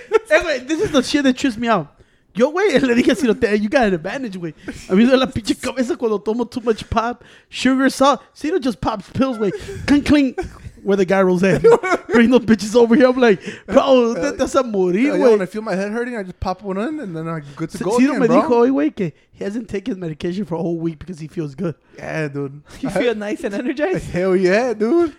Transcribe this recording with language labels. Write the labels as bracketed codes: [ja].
[en] Anyway, this is the shit that trips me out. [es] Yo, güey, le dije así, you got an advantage, güey. A mí me da la pinche cabeza cuando tomo too much pop, sugar, salt. [en] Cito just pops pills, güey. Clink, clink, where the guy rolls in. Bring those bitches over here. I'm like, bro, that's a morir, güey. When I feel my head hurting, I just pop one in and then I'm good to go again, bro. Cito me dijo hoy, güey, que he hasn't taken his medication for a whole week because he feels good. Yeah, dude. You feel nice and energized? Hell yeah, dude.